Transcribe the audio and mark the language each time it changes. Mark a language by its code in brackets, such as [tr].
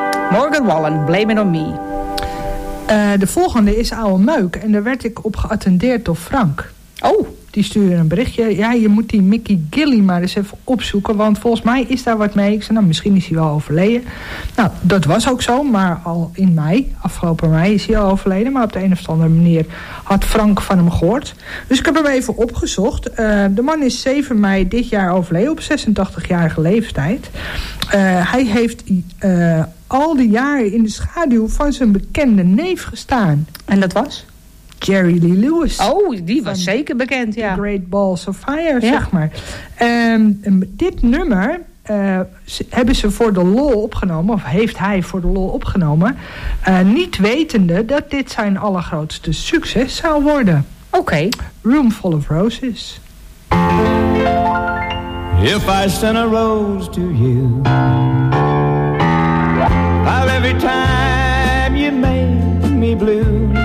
[en] Morgan Wallen, blame it on me. [nl] De volgende is oude meuk. En daar werd ik op geattendeerd door Frank. Oh. die sturen een berichtje. Ja, je moet die Mickey Gilly maar eens even opzoeken, want volgens mij is daar wat mee. Ik zei, nou, misschien is hij wel overleden. Nou, dat was ook zo, maar al in mei, afgelopen mei, is hij al overleden. Maar op de een of andere manier had Frank van hem gehoord. Dus ik heb hem even opgezocht. De man is 7 mei dit jaar overleden, op 86-jarige leeftijd. Hij heeft al die jaren in de schaduw van zijn bekende neef gestaan. En dat was? Jerry Lee Lewis. Oh, die was zeker bekend, ja. The Great Balls of Fire, ja. Zeg maar. Dit nummer hebben ze voor de lol opgenomen, of heeft hij voor de lol opgenomen, niet wetende dat dit zijn allergrootste succes zou worden. Oké. [en] Room Full of Roses. If I send a rose to you, while every time you make me blue,